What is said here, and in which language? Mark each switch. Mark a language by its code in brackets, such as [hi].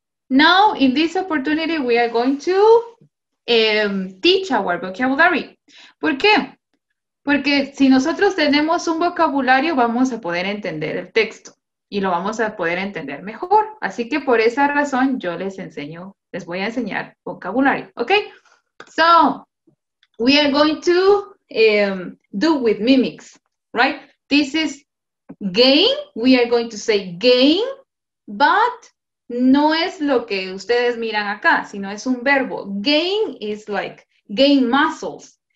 [en] Now, in this opportunity, we are going to teach our vocabulary. [es] ¿Por qué? Porque si nosotros tenemos un vocabulario, vamos a poder entender el texto. Y lo vamos a poder entender mejor. Así que por esa razón, yo les voy a enseñar vocabulario. ¿Ok? [en] So, we are going to do with mimics. Right? This is game. We are going to say game. [es] But no es lo que ustedes miran acá, sino es un verbo. [en] Gain is like gain muscles.